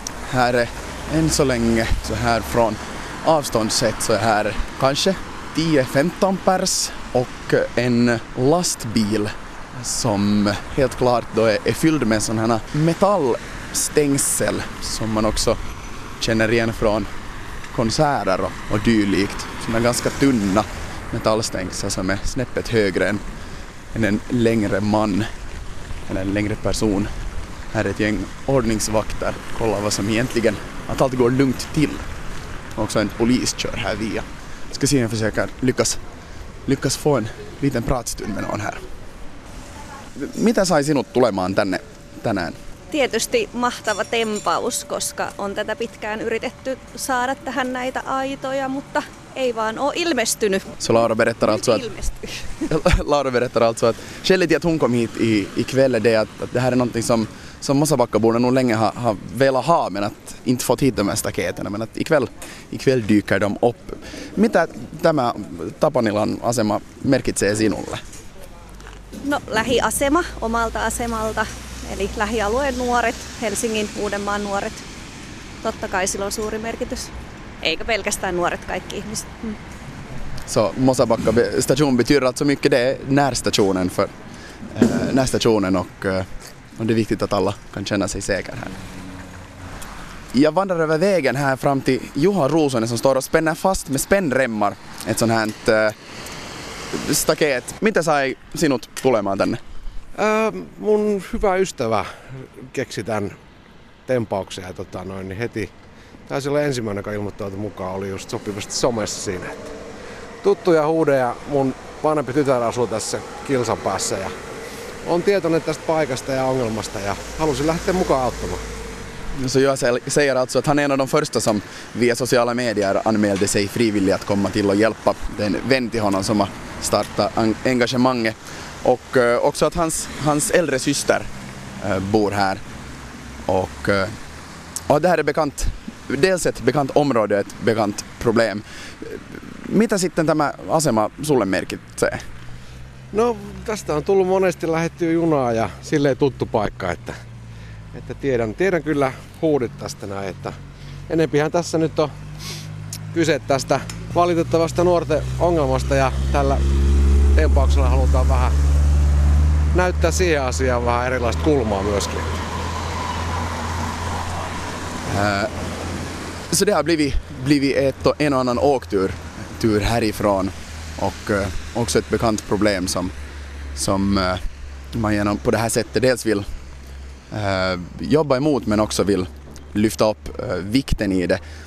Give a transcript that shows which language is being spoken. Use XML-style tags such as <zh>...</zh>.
<sv>Här är än så länge, så här från avstånd sett, så här kanske 10-15 pers och en lastbil som helt klart då är fylld med sån här metallstängsel som man också känner igen från konserter och dylikt, som är ganska tunna metallstängsel som är snäppet högre än en längre man eller en längre person. Här är ett gäng ordningsvakter, kolla vad som egentligen, att allt går lugnt till. Också en polis kör här via. Ska se om jag försöker lyckas få en liten pratstund med någon här.</sv> <fi>Mitä sai sinut tulemaan tänne tänään? Tietysti mahtava tempaus, koska on tätä pitkään yritetty saada tähän näitä aitoja, mutta ei vaan ole ilmestynyt.</fi> <sv>Så Laura berättar alltså att skälet till att hon kom hit i kväll är att det här är någonting som Mosabackaborna nog länge har velat ha, men att inte fått hit de här staketerna, men att ikväll dyker de upp.</sv> <fi>Mitä tämä Tapanilan asema merkitsee sinulle? No, lähiasema omalta asemalta, eli lähialueen nuoret, Helsingin Uudenmaan nuoret. Totta kai sillä on suuri merkitys. Eikä pelkästään nuoret, kaikki ihmiset. Mm.</fi> <sv>Så Mosabacka station betyder alltså mycket, det är närstationen för närstationen och det är viktigt att alla kan känna sig säkra här. Jag vandrar över vägen här fram till Juha Rosonen som står och spänner fast med spännremmar ett sånt här staket.</sv> <fi>Mitä sai sinut tulemaan tänne? Mun hyvä ystävä keksi tämän tempauksen ja heti taisi olla ensimmäinen, joka ilmoittautui mukaan, oli just sopivasti somessa siinä. Tuttuja huudeja, mun vanhempi tytär asuu tässä kilsan päässä ja on tietoinen tästä paikasta ja ongelmasta ja halusin lähteä mukaan auttamaan.</fi> <sv>Så jag säger alltså att han är en av de första som via sociala medier anmälde sig frivilligt att komma till och hjälpa. Det är en vän till honom som har startat engagemanget. Och också att hans äldre syster bor här. Och det här är bekant, dels ett bekant område, ett bekant problem.</sv> <fi>Mitä sitten tämä asema sulle merkitsee? No, tästä on tullut monesti lähetty junaa ja silleen tuttu paikka, että tiedän kyllä huudit tästä näin, että enempihän tässä nyt on kyse tästä valitettavasta nuorten ongelmasta ja tällä tempauksella halutaan vähän näyttää siihen asiaan vähän erilaista kulmaa myöskin.</fi> <sv>Så det har blivit ett och en annan åktur härifrån och också ett bekant problem som man genom på det här sättet dels vill jobba emot men också vill lyfta upp vikten i det.</sv>